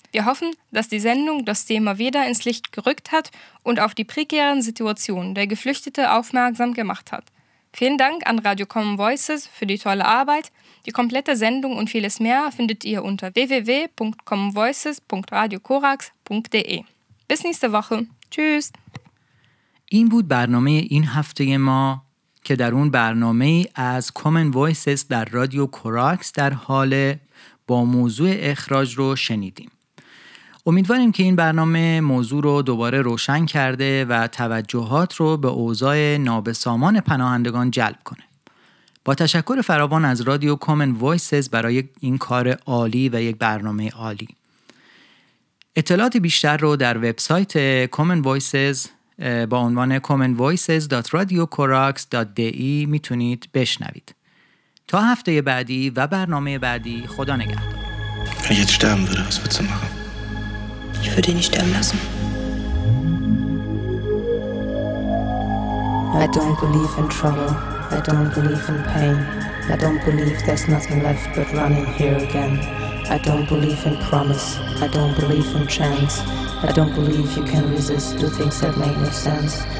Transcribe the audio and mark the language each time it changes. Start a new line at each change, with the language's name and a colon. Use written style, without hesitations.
German: Wir hoffen, dass die Sendung das Thema wieder ins Licht gerückt hat und auf die prekären Situationen der Geflüchteten aufmerksam gemacht hat. Vielen Dank an Radio Common Voices für die tolle Arbeit. Die komplette Sendung und vieles mehr findet ihr unter www.commonvoices.radiokorax.de. Bis nächste Woche. Tschüss.
Persian: این بود برنامه این هفته ما که در اون برنامه از Common Voices در رادیو کوراکس در حال با موضوع اخراج رو شنیدیم. امیدواریم که این برنامه موضوع رو دوباره روشن کرده و توجهات رو به اوضاع نابسامان پناهندگان جلب کنه. با تشکر فراوان از رادیو Common Voices برای این کار عالی و یک برنامه عالی. اطلاعات بیشتر رو در وبسایت Common Voices با عنوان commonvoices.radiokorax.de میتونید بشنوید. تا هفته بعدی و برنامه بعدی خدا نگهدار.
German: Jetzt sterben würde, was würdest du machen? Ich würde ihn nicht sterben lassen.
English: I don't believe in trouble. I don't believe in pain. I don't believe there's nothing left but running here again. I don't believe in promise. I don't believe in chance. I don't believe you can resist the things that make no sense.